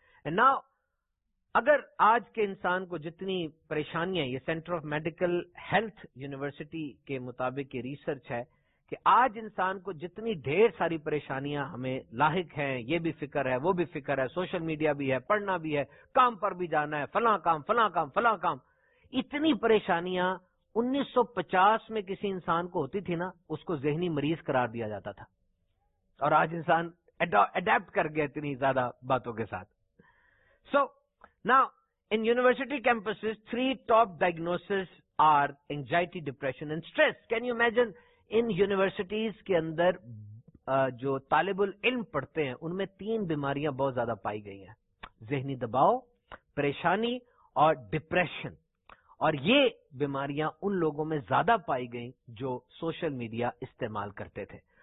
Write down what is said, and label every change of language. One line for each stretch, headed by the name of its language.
Urdu: Now اگر آج کے انسان کو جتنی پریشانیاں، یہ centre of medical health university کے مطابق یہ ریسرچ ہے کہ آج انسان کو جتنی ڈھیر ساری پریشانیاں ہمیں لاحق ہیں، یہ بھی فکر ہے، وہ بھی فکر ہے، سوشل میڈیا بھی ہے، پڑھنا بھی ہے، کام پر بھی جانا ہے، فلاں کام فلاں کام فلاں کام، اتنی پریشانیاں 1950 میں کسی انسان کو ہوتی تھی نا، اس کو ذہنی مریض قرار دیا جاتا تھا. اور آج انسان اڈیپٹ کر گیا اتنی زیادہ باتوں کے ساتھ.
English: So Now, in university campuses, 3 top diagnoses are anxiety, depression and stress. Can you imagine, in universities
Urdu: کے اندر جو طالب العلم پڑھتے ہیں ان میں 3 بیماریاں بہت زیادہ پائی گئی ہیں، ذہنی دباؤ، پریشانی اور ڈپریشن. اور یہ بیماریاں ان لوگوں میں زیادہ پائی گئیں جو سوشل میڈیا استعمال کرتے تھے.